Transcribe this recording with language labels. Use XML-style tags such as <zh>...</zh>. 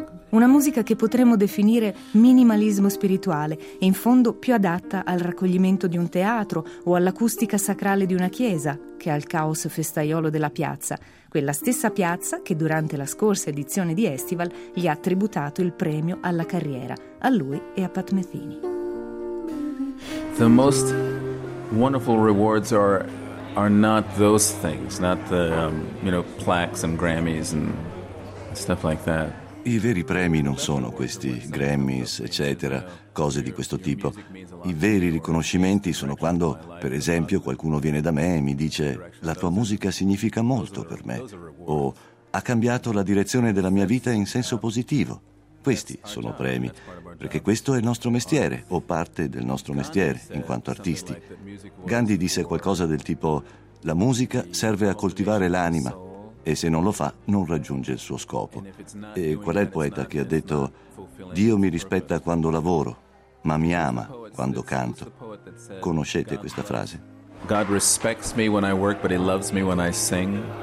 <it>Una musica che potremmo definire minimalismo spirituale e in fondo più adatta al raccoglimento di un teatro o all'acustica sacrale di una chiesa che al caos festaiolo della piazza, quella stessa piazza che durante la scorsa edizione di Estival gli ha tributato il premio alla carriera, a lui e a Pat Metheny.</it> <en>The most wonderful rewards are not those things, not the plaques and Grammys and stuff like that.</en> <it>I veri premi non sono questi Grammys, eccetera, cose di questo tipo. I veri riconoscimenti sono quando, per esempio, qualcuno viene da me e mi dice «La tua musica significa molto per me» o «Ha cambiato la direzione della mia vita in senso positivo». Questi sono premi, perché questo è il nostro mestiere o parte del nostro mestiere in quanto artisti. Gandhi disse qualcosa del tipo «La musica serve a coltivare l'anima». E se non lo fa, non raggiunge il suo scopo. E qual è il poeta che ha detto «Dio mi rispetta quando lavoro, ma mi ama quando canto»? Conoscete questa frase?</it> <en>God respects me when I work, but he loves me when I sing.</en>